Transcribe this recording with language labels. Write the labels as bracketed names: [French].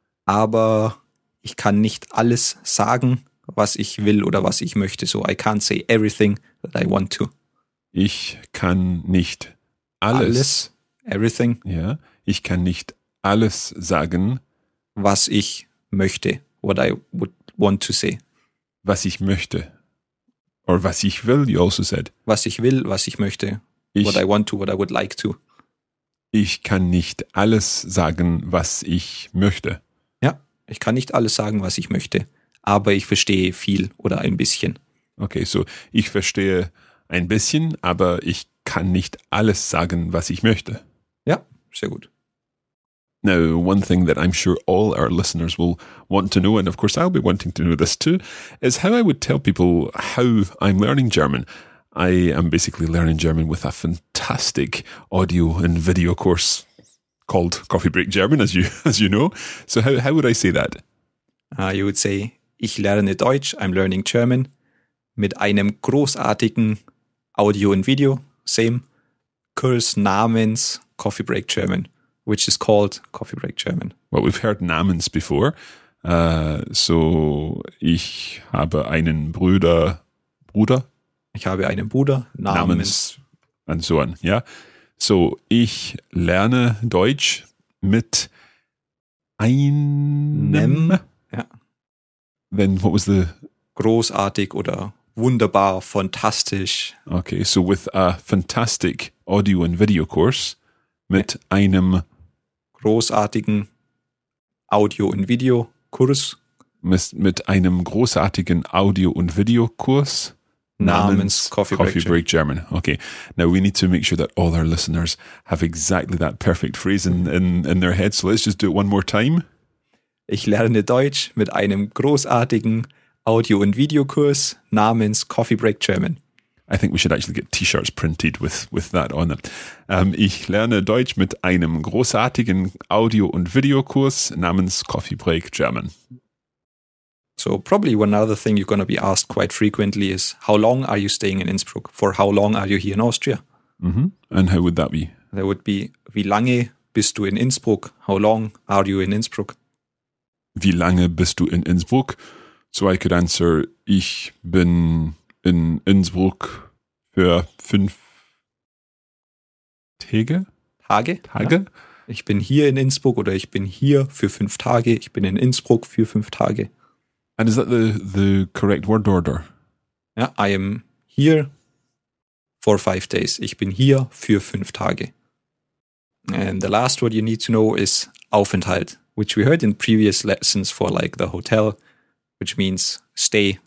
[German] Aber ich kann nicht alles sagen, was ich will oder was ich möchte, [English] so I can't say everything that I want to. [German] Ich kann nicht alles [English] everything. Yeah. [German] Ich kann nicht alles sagen, was ich möchte, [English] what I would want to say. [German] Was ich möchte. [English] Or [German] was ich will, [English] you also said. [German] Was ich will, was ich möchte. [English] What I want to, what I would like to. [German] Ich kann nicht alles sagen, was ich möchte. Ja, ich kann nicht alles sagen, was ich möchte. Aber ich verstehe viel oder ein bisschen. Okay, so ich verstehe ein bisschen, aber ich kann nicht alles sagen, was ich möchte. Ja, sehr gut. [English] Now, one thing that I'm sure all our listeners will want to know, and of course I'll be wanting to know this too, is how I would tell people how I'm learning German. I am basically learning German with a fantastic audio and video course called Coffee Break German, as you know. So how would I say that? You would say, [German] ich lerne Deutsch, [English] I'm learning German, [German] mit einem großartigen Audio [English] and Video, same, Kurs namens Coffee Break German. Which is called Coffee Break German. Well, we've heard Namens before. [German] So, ich habe einen Bruder. Bruder? Ich habe einen Bruder. Namens. [English] And so on, yeah. [German] So, ich lerne Deutsch mit einem. Ja. [English] Then, what was the? [German] Großartig oder wunderbar, fantastisch. [English] Okay, so with a fantastic audio and video course [German] mit einem großartigen Audio- und Videokurs. Mit einem großartigen Audio- und Videokurs namens Coffee Break German. [English] Okay, now we need to make sure that all our listeners have exactly that perfect phrase in their head. So let's just do it one more time. [German] Ich lerne Deutsch mit einem großartigen Audio- und Videokurs namens Coffee Break German. [English] I think we should actually get T-shirts printed with that on them. [German] Ich lerne Deutsch mit einem großartigen Audio- und Videokurs namens Coffee Break German. [English] So probably one other thing you're going to be asked quite frequently is, how long are you staying in Innsbruck? For how long are you here in Austria? And how would that be? That would be, [German] wie lange bist du in Innsbruck? [English] How long are you in Innsbruck? wie lange bist du in Innsbruck? So I could answer, [German] ich bin in Innsbruck für 5 Tage. Tage? Ja. Ich bin hier in Innsbruck oder ich bin hier für 5 Tage. Ich bin in Innsbruck für 5 Tage. [English] And is that the correct word order? Ja, I am here for 5 days. [German] Ich bin hier für 5 Tage. [English] And the last word you need to know is Aufenthalt, which we heard in previous lessons for like the hotel, which means stay.